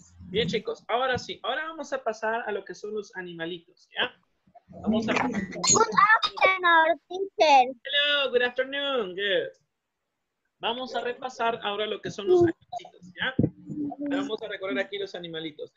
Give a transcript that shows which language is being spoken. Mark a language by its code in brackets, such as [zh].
[es] Bien, chicos, ahora sí, ahora vamos a pasar a lo que son los animalitos, ¿ya? Vamos a [en] Good afternoon, teacher. Hello, good afternoon, good. [es] Vamos a repasar ahora lo que son los animalitos, ¿ya? Ahora vamos a recorrer aquí los animalitos.